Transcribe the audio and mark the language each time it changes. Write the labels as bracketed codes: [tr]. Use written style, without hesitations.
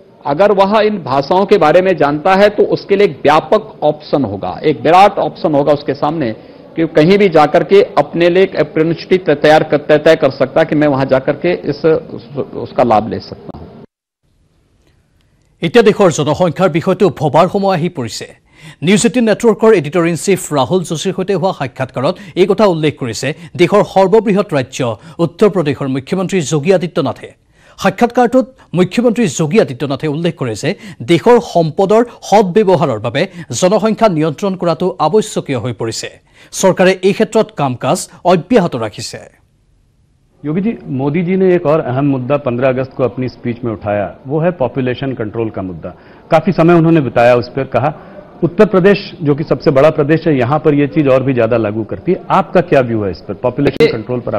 [hi] अगर वह इन भाषाओं के बारे में जानता है तो उसके लिए एक व्यापक ऑप्शन होगा, एक विराट ऑप्शन होगा उसके सामने कि कहीं भी जाकर के अपने लिए एक अप्रेंटिसशिप तय कर सकता कि मैं वहां जाकर के उसका लाभ ले सकता। [as] এতিয়া দেশৰ জনসংখ্যাৰ বিষয়টো ভবাৰ সময় আহি পৰিছে। নিউজ 18 নেটৱৰ্কৰ এডিটৰ ইন চিফ ৰাহুল যোশীৰ সৈতে হোৱা সাক্ষাৎকাৰত এই কথা উল্লেখ কৰিছে দেশৰ সৰ্ববৃহৎ ৰাজ্য উত্তৰ প্ৰদেশৰ মুখ্যমন্ত্ৰী যোগী আদিত্যনাথে। সাক্ষাৎকাৰটোত মুখ্যমন্ত্ৰী যোগী আদিত্যনাথে উল্লেখ কৰে যে দেশৰ সম্পদৰ সদব্যৱহাৰৰ বাবে জনসংখ্যা নিয়ন্ত্ৰণ কৰাটো আৱশ্যকীয় হৈ পৰিছে। চৰকাৰে এই ক্ষেত্ৰত কাম কাজ অব্যাহত ৰাখিছে। [hi] योगीजी, मोदी जी ने एक और अहम मुद्दा 15 अगस्त को अपनी स्पीच में उठाया, वो है पॉपुलेशन कंट्रोल का मुद्दा। काफी समय उन्होंने बिताया उस पर, कहा उत्तर प्रदेश जो कि सबसे बड़ा प्रदेश है यहां पर ये चीज और भी ज्यादा लागू करती है। आपका क्या व्यू है इस पर, पॉपुलेशन कंट्रोल पर?